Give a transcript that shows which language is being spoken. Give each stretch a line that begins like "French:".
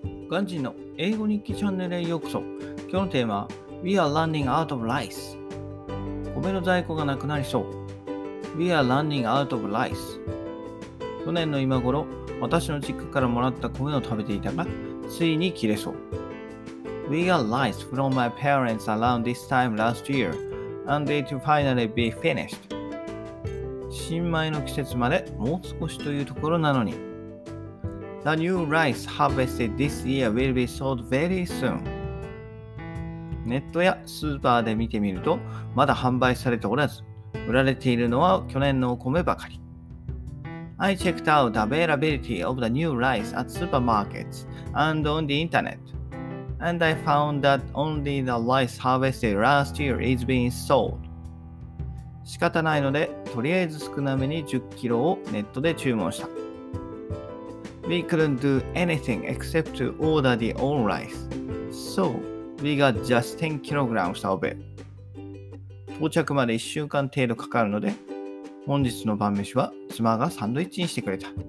Japanese: ガンジーの英語日記チャンネルへようこそ。今日のテーマは
English: We are running out of rice。
Japanese: 米の在庫がなくなりそう。
English: We are running out of rice。
Japanese: 去年の今頃、私の実家からもらった米を食べていたが、ついに切れそう。
English: We got rice from my parents around this time last year and it finally be finished。
Japanese: 新米の季節までもう少しというところなのに。
English: The new rice harvested this year will be sold very soon.
Japanese: ネットやスーパーで見てみると、まだ販売されておらず、売られているのは去年のお米ばかり。
English: I checked out the availability of the new rice at supermarkets and on the internet, and I found that only the rice harvested last year is being sold.
Japanese: 仕方ないので、とりあえず少なめに10キロをネットで注文した。
English: We couldn't do anything except to order the old rice. So, we got just 10 kilograms of it.
Japanese: 到着まで1週間程度かかるので、本日の晩飯は妻がサンドイッチにしてくれた。